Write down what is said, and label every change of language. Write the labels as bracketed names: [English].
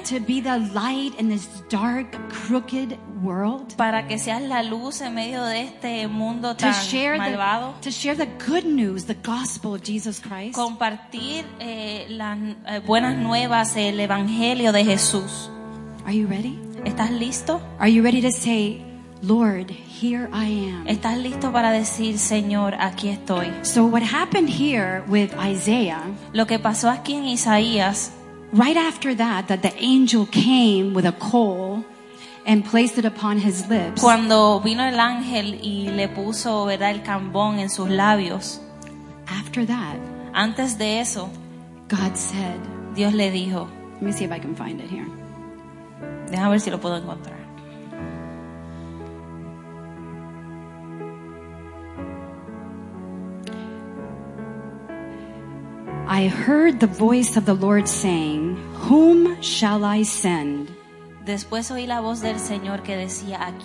[English] To be the light in this dark, crooked world. [Spanish] Para que seas la luz en medio de este mundo tan malvado. [English] To share the good news, the gospel of Jesus Christ. [Spanish] Compartir las buenas nuevas, el evangelio de Jesús. [English] Are you ready? [Spanish] ¿Estás listo? [English] Are you ready to say, Lord, here I am? [Spanish] ¿Estás listo para decir, Señor, aquí estoy? [English] So what happened here with Isaiah? [Spanish] Lo que pasó aquí en Isaías. [English] Right after that, that the angel came with a coal and placed it upon his lips. [Spanish] Cuando vino el ángel y le puso, ¿verdad?, el carbón en sus labios. [English] After that, [Spanish] antes de eso, [English] God said, [Spanish] Dios le dijo, [English] let me see if I can find it here. [Spanish] Déjame ver si lo puedo encontrar. [English] I heard the voice of the Lord saying, whom shall I send? [Spanish] Después oí la voz del Señor que decía, ¿a quién